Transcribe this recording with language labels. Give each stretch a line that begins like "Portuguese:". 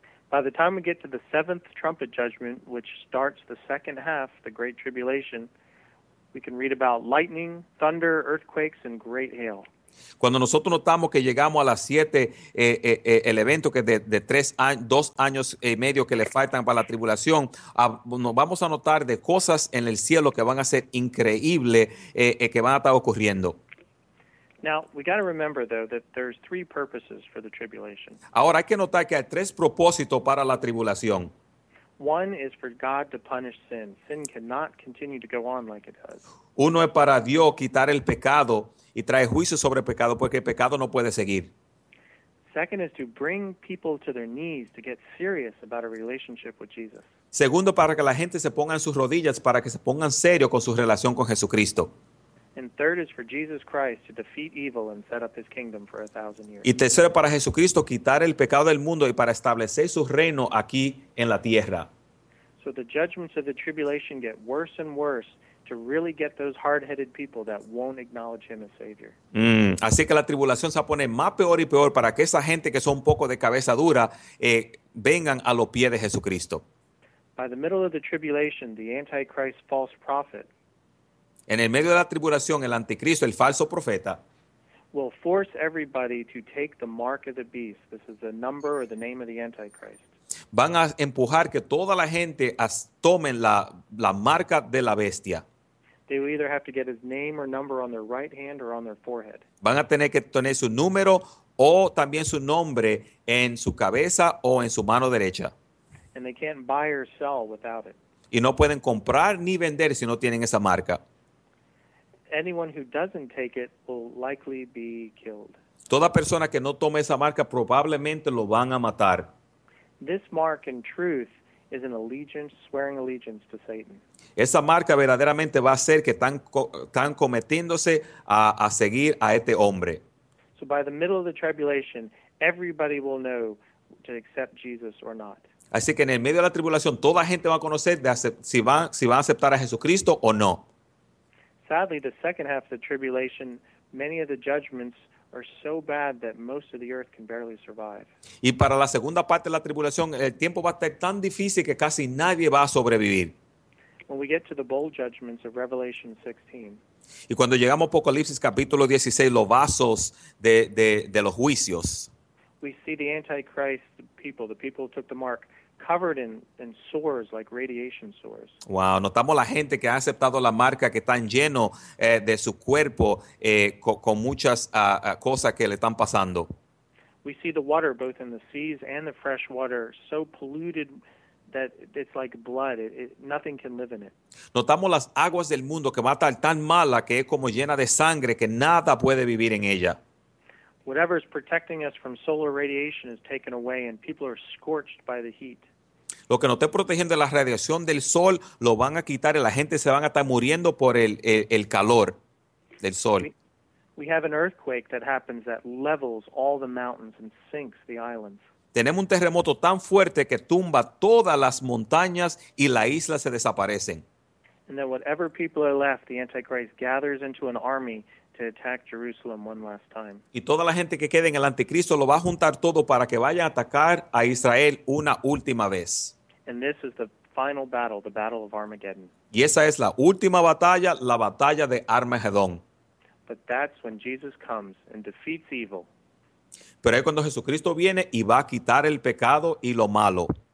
English: By the time we get to the seventh trumpet judgment, which starts the second half, the Great Tribulation, we can read about lightning, thunder, earthquakes, and great hail.
Spanish: Cuando nosotros notamos que llegamos a las siete, el evento que de tres años, dos años y medio que le faltan para la tribulación, nos vamos a notar de cosas en el cielo que van a ser increíbles, que van a estar ocurriendo.
English: Now, we got to remember, though, that there's three purposes for the tribulation.
Spanish: Ahora, hay que notar que hay tres propósitos para la tribulación.
English: One is for God to punish sin. Sin cannot continue to go on like it does.
Spanish: Uno es para Dios quitar el pecado y traer juicio sobre el pecado, porque el pecado no puede seguir.
English: Second is to bring people to their knees to get serious about a relationship with Jesus.
Spanish: Segundo, para que la gente se ponga en sus rodillas, para que se pongan serio con su relación con Jesucristo.
English: And third is for Jesus Christ to defeat evil and set up his kingdom for 1,000 years.
Spanish: Y tercero, para Jesucristo quitar el pecado del mundo y para establecer su reino aquí en la tierra.
English: So the judgments of the tribulation get worse and worse to really get those hard-headed people that won't acknowledge him as Savior.
Spanish: Así que la tribulación se pone más peor y peor para que esa gente que son un poco de cabeza dura vengan a los pies de Jesucristo.
English: By the middle of the tribulation, the Antichrist false prophet,
Spanish: en el medio de la tribulación, el anticristo, el falso profeta,
English: will force everybody to take the mark of the beast. This is the number or the name of the Antichrist.
Spanish: Van a empujar que toda la gente tomen la marca de la bestia.
English: They will either have to get his name or number on their right hand or on their forehead.
Spanish: Van a tener que tener su número o también su nombre en su cabeza o en su mano derecha.
English: And they can't buy or sell without it.
Spanish: Y no pueden comprar ni vender si no tienen esa marca.
English: Anyone who doesn't take it will likely be killed.
Spanish: Toda persona que no tome esa marca probablemente lo van a matar.
English: This mark in truth is an allegiance, swearing allegiance to Satan.
Spanish: Esa marca verdaderamente va a ser que están cometiéndose a seguir a este hombre.
English: So by the middle of the tribulation, everybody will know to accept Jesus or not.
Spanish: Así que en el medio de la tribulación, toda gente va a conocer si van a aceptar a Jesucristo o no.
English: Sadly, the second half of the tribulation, many of the judgments are so bad that most of the earth can barely survive.
Spanish: Y para la segunda parte de la tribulación, el tiempo va a estar tan difícil que casi nadie va a sobrevivir.
English: When we get to the bowl judgments of Revelation 16.
Spanish: Y cuando llegamos a Apocalipsis capítulo 16, los vasos de los juicios.
English: We see the Antichrist people, the people who took the mark, covered in sores like radiation sores.
Spanish: Wow, notamos la gente que ha aceptado la marca que están lleno de su cuerpo con muchas cosas que le están pasando.
English: We see the water both in the seas and the fresh water so polluted that it's like blood. Nothing can live in it.
Spanish: Notamos las aguas del mundo que va a estar tan mala que es como llena de sangre que nada puede vivir en ella.
English: Whatever is protecting us from solar radiation is taken away and people are scorched by the heat.
Spanish: Lo que nos esté protegiendo de la radiación del sol lo van a quitar y la gente se van a estar muriendo por el calor del sol.
English: We have an earthquake that happens that levels all the mountains and sinks the islands.
Spanish: Tenemos un terremoto tan fuerte que tumba todas las montañas y la isla se desaparecen.
English: And then whatever people are left, the Antichrist gathers into an army to attack Jerusalem one last time.
Spanish: Y toda la gente que quede en el anticristo lo va a juntar todo para que vaya a atacar a Israel una última vez.
English: And this is the final battle, the battle of Armageddon.
Spanish: Y esa es la última batalla, la batalla de Armagedón.
English: But that's when Jesus comes and defeats evil.
Spanish: Pero es cuando Jesucristo viene y va a quitar el pecado y lo malo.